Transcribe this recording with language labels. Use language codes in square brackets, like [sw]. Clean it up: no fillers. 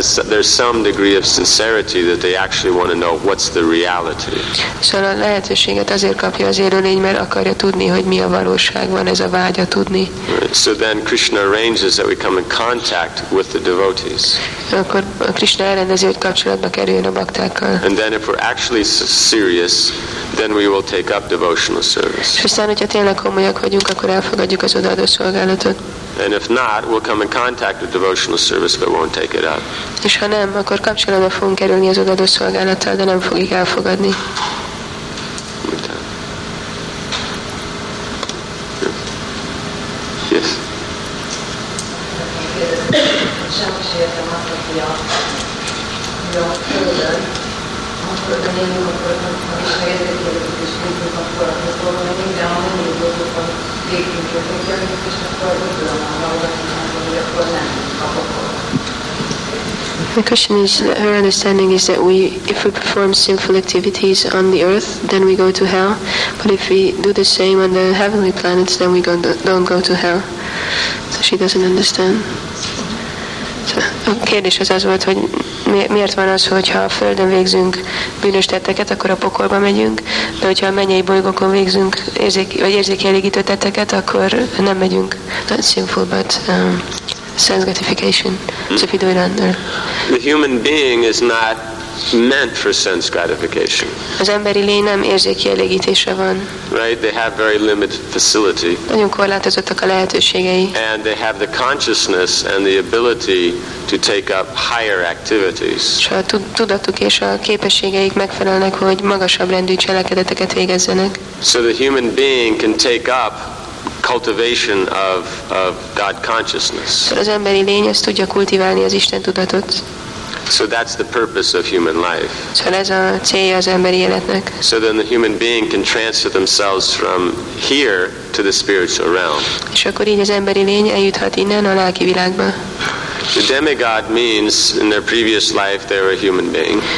[en] There's some degree of sincerity that they actually want to know what's the reality. [hu] Szóval a lehetőséget azért kapja az élőlény, mert akarja tudni, hogy mi a valóság, van ez a vágya tudni. [en] Right. So then Krishna arranges that we come in contact with the devotees. [hu] Akkor Krishna elrendezi, hogy kapcsolatba kerüljön a baktákkal. [en] And then if we're actually serious, then we will take up devotional service. [hu] És aztán, hogyha tényleg komolyak vagyunk, akkor elfogadjuk az odaadó szolgálatot. [en] And if not, we'll come in contact with devotional service, but won't take it up. [hu] És ha nem, akkor kapcsolatba fogunk kerülni az odaadó szolgálattal, de nem fogjuk elfogadni. [en] Yes. [hu] sem is értem azt, hogy a földön, akkor ha élünk, akkor érdekeljük és nyitjuk, akkor az dolgok minden, ha mindig dolgok, hogy végünk jöttünk jönnünk, és akkor úgy tudom, hogy valamit, hogy akkor nem kapok. [en] The question is, her understanding is that we, if we perform sinful activities on the earth, then we go to hell. But if we do the same on the heavenly planets, then we don't go to hell. So she doesn't understand. [hu] So, a kérdés az az volt, hogy miért van az, hogyha a Földön végzünk bűnös tetteket, akkor a pokolba megyünk, de hogyha a mennyei bolygókon végzünk érzékielégítő tetteket, akkor nem megyünk. [en] Not sinful, but... sense gratification. So if you do it on earth. The human being is not meant for sense gratification. [hu] Az emberi lény nem érzékielégítésre van. [en] Right? They have very limited facility. [hu] Nagyon korlátozottak a lehetőségei. [en] And they have the consciousness and the ability to take up higher activities. [hu] És a tudatuk és a képességeik megfelelnek, hogy magasabb rendű cselekedeteket végezzenek. [en] So the human being can take up cultivation of God consciousness. [hu] Az emberi lény ezt tudja kultiválni, az Isten tudatot. [en] So that's the purpose of human life. [hu] So ez a célja az emberi életnek. [en] So then the human being can transfer themselves from here to the spiritual realm. [hu] És akkor így az emberi lény eljuthat innen a lelki világba. [en] The demigod means in their previous life they were a human being.